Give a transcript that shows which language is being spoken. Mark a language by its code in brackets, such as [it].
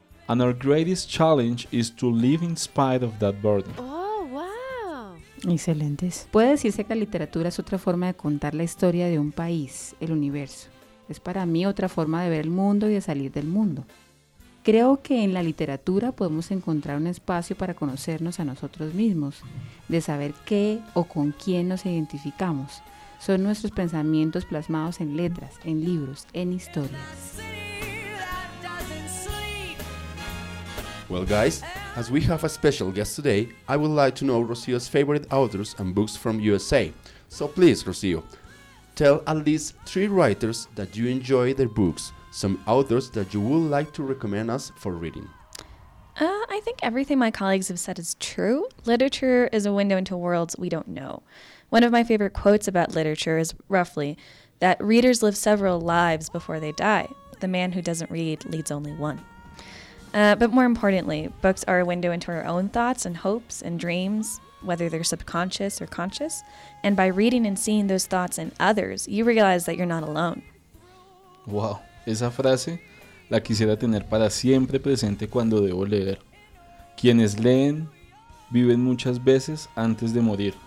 [en] And our greatest challenge is to live in spite of that burden. Oh, wow. [es] Excelentes. Puede decirse que la literatura es otra forma de contar la historia de un país, el universo. Es para mí otra forma de ver el mundo y de salir del mundo. Creo que en la literatura podemos encontrar un espacio para conocernos a nosotros mismos, de saber qué o con quién nos identificamos. Son nuestros pensamientos plasmados en letras, en libros, en historias. [en] Well, guys, as we have a special guest today, I would like to know Rocío's favorite authors and books from USA. So please, Rocío, tell at least three writers that you enjoy their books, some authors that you would like to recommend us for reading. I think everything my colleagues have said is true. Literature is a window into worlds we don't know. One of my favorite quotes about literature is roughly that readers live several lives before they die. The man who doesn't read leads only one. But more importantly, books are a window into our own thoughts and hopes and dreams, whether they're subconscious or conscious. And by reading and seeing those thoughts in others, you realize that you're not alone. [es] Wow, esa frase la quisiera tener para siempre presente cuando debo leer. Quienes leen, viven muchas veces antes de morir.